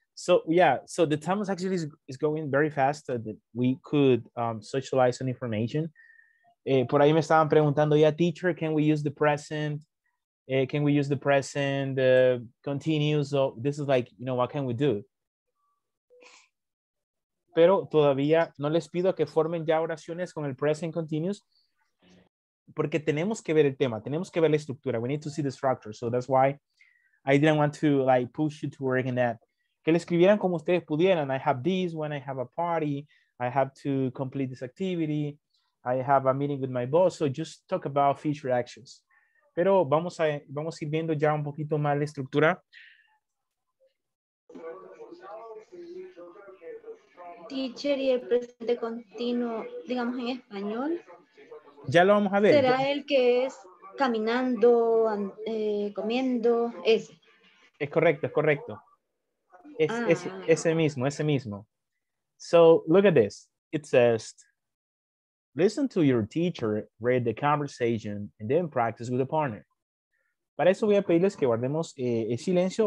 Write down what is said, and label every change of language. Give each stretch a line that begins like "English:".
English: So yeah, so the time is actually is going very fast so that we could socialize some information.
Spanish: Por ahí me estaban preguntando,
English: yeah, teacher, can we use the present? Can we use the present continuous? So this is like, you know, what can we do?
Spanish: Pero todavía no les pido que formen ya oraciones con el present continuous porque tenemos que ver el tema, tenemos que ver la estructura.
English: We need to see the structure. So that's why I didn't want to like push you to work in that.
Spanish: Que le escribieran como ustedes pudieran.
English: I have this when I have a party. I have to complete this activity. I have a meeting with my boss. So just talk about future actions.
Spanish: Pero vamos a ir viendo ya un poquito más la estructura. Teacher, y el presente continuo, digamos en español. Ya lo vamos a ver. Será el que es caminando, comiendo, ese. Es correcto, es correcto. Ese mismo.
English: So, look at this. It says, listen to your teacher, read the conversation, and then practice with a partner.
Spanish: Para eso voy a pedirles que guardemos el silencio.